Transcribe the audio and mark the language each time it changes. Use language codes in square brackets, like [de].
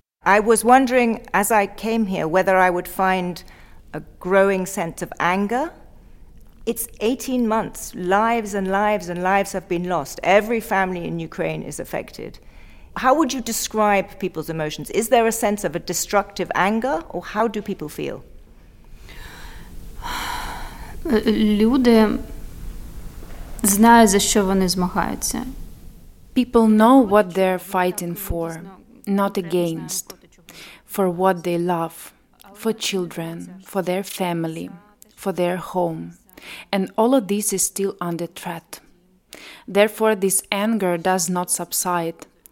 [en] I was wondering, as I came here, whether I would find a growing sense of anger. It's 18 months. Lives and lives and lives have been lost. Every family in Ukraine is affected. How would you describe people's emotions? Is there a sense of a destructive anger, or how do people feel? [uk] Люди знають, за що вони змагаються. [en] People know what they're fighting for, not against. For what they love, for children, for their family, for their home. And all of this is still under threat. Therefore, this anger does not subside.